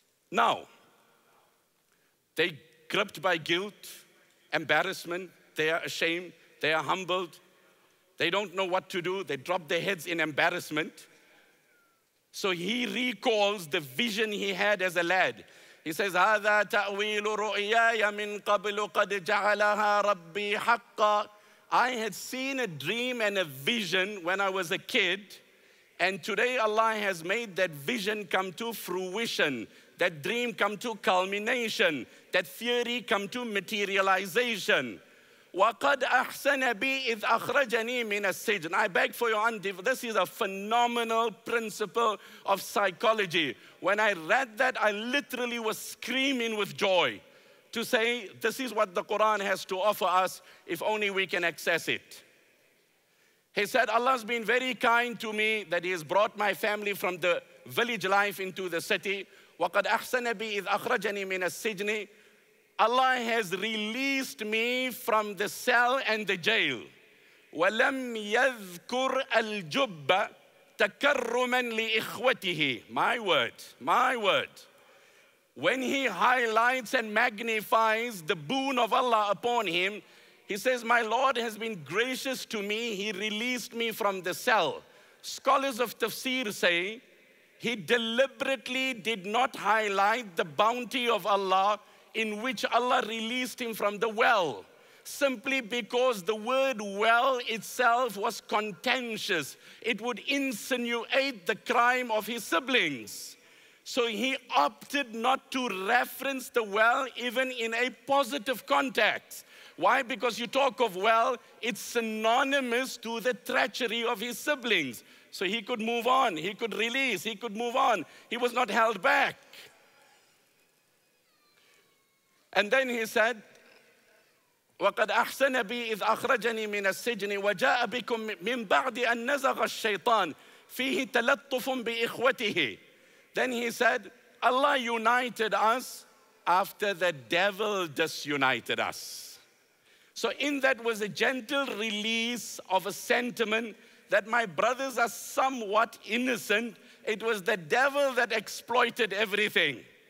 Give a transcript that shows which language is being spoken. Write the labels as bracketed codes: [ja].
[en] Now, they gripped by guilt, embarrassment, they are ashamed, they are humbled. They don't know what to do. They drop their heads in embarrassment. So he recalls the vision he had as a lad. He says, [ar] هَذَا تَأْوِيلُ رُؤْيَايَ مِنْ قَبْلُ قَدْ جَعَلَهَا رَبِّي حَقَّ. [en] I had seen a dream and a vision when I was a kid. And today Allah has made that vision come to fruition. That dream come to culmination. That theory come to materialization. [ar] وَقَدْ أَحْسَنَ بِي إِذْ أَخْرَجَنِي مِنَ السِّجْنِ. [en] I beg for your undivided. This is a phenomenal principle of psychology. When I read that, I literally was screaming with joy to say, this is what the Quran has to offer us, if only we can access it. He said, Allah's been very kind to me that he has brought my family from the village life into the city. [ar] وَقَدْ أَحْسَنَ بِي إِذْ أَخْرَجَنِي مِنَ السِّجْنِ. [en] Allah has released me from the cell and the jail. [ar] وَلَمْ يَذْكُرْ الْجُبَّ تَكَرُّمًا لِإِخْوَتِهِ. [en] My word. When he highlights and magnifies the boon of Allah upon him, he says, my Lord has been gracious to me. He released me from the cell. Scholars of tafsir say, he deliberately did not highlight the bounty of Allah in which Allah released him from the well, simply because the word well itself was contentious. It would insinuate the crime of his siblings. So he opted not to reference the well even in a positive context. Why? Because you talk of well, it's synonymous to the treachery of his siblings. So he could move on, he could release, he could move on. He was not held back. And then he said, [ar] وَقَدْ أَحْسَنَ بِي إِذْ أَخْرَجَنِي مِنَ السِّجْنِ وَجَاءَ بِكُمْ مِنْ بَعْدِ أَنْ نَزَغَ الشَّيْطَانِ فِيهِ تَلَطُّفٌ بِإِخْوَتِهِ. [en] Then he said, Allah united us after the devil disunited us. So in that was a gentle release of a sentiment that my brothers are somewhat innocent. It was the devil that exploited everything.